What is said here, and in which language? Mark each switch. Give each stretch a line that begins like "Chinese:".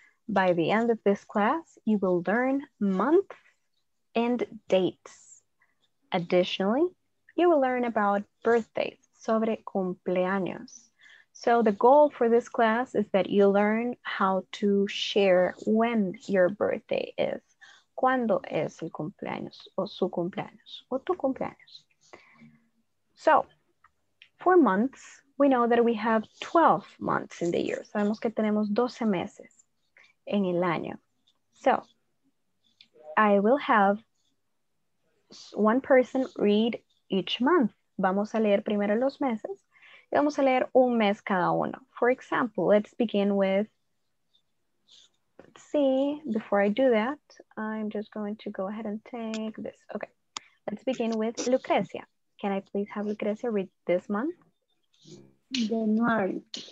English: By the end of this class, you will learn months and dates. Additionally, you will learn about birthdays, sobre cumpleaños. So the goal for this class is that you learn how to share when your birthday is.
Spanish: ¿Cuándo es el cumpleaños o su cumpleaños o tu cumpleaños?
English: So, for months, we know that we have 12 months in the year.
Spanish: Sabemos que tenemos 12 meses en el año.
English: So, I will have one person read each month.
Spanish: Vamos a leer primero los meses y vamos a leer un mes cada uno.
English: For example, let's begin with, let's see, before I do that, I'm just going to go ahead and take this. Okay, let's begin with Lucrecia. Can I please have Lucrecia read this month? January.